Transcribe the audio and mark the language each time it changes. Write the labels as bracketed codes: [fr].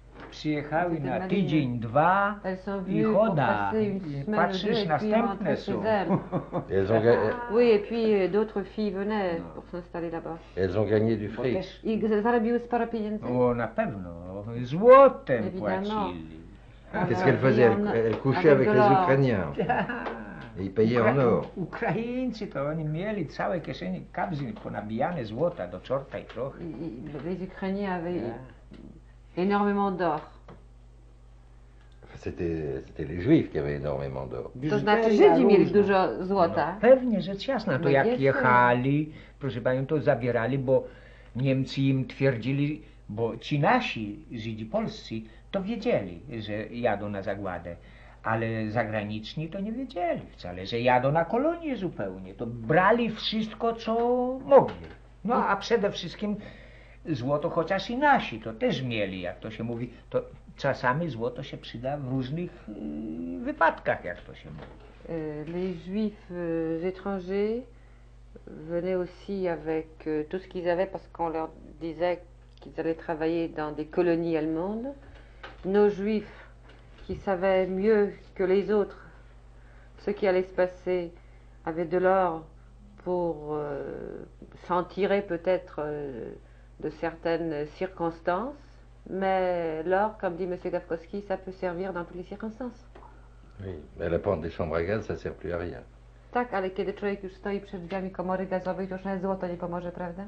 [pl] Przyjechały na tydzień, dwa i choda. Patrzysz, następne są. [fr] Elles ont gagné. Oui, et puis d'autres filles venaient pour s'installer là-bas. Elles ont gagné du fric. [pl] I zarobiły sporo pieniędzy. O, na pewno. Złotem płacili. [fr] Qu'est-ce qu'elle faisait? Elle couchait avec les Ukrainiens. Et ils payaient en or. [pl] Ukraińcy to oni mieli całe kieszenie kabzy ponabijane złota do czorta i trochę. [fr] Les Ukrainiens avaient énormément d'or. C'était les Juifs qui avaient énormément d'or. [pl] To znaczy, Żydzi mieli dużo złota. No, pewnie, rzecz jasna. To jak jechali, proszę panią, to zabierali, bo Niemcy im twierdzili, bo ci nasi Żydzi polscy to wiedzieli, że jadą na zagładę, ale zagraniczni to nie wiedzieli wcale, że jadą na kolonie zupełnie. To brali wszystko, co mogli. No a przede wszystkim złoto, chociaż i nasi to też mieli, jak to się mówi. To czasami złoto się przyda w różnych wypadkach, jak to się mówi. [fr] Les Juifs étrangers venaient aussi avec tout ce qu'ils avaient, parce qu'on leur disait qu'ils allaient travailler dans des colonies allemandes. Nos Juifs, qui savaient mieux que les autres ce qui allait se passer, avaient de l'or pour s'en tirer peut-être de certaines circonstances. Mais l'or, comme dit M. Gawkowski, ça peut servir dans toutes les circonstances. Oui, mais la porte des chambres à gaz, ça ne sert plus à rien. [pl] Tak, ale kiedy człowiek już stoi przed drzwiami komory gazowej, to już nawet złoto nie pomoże, prawda?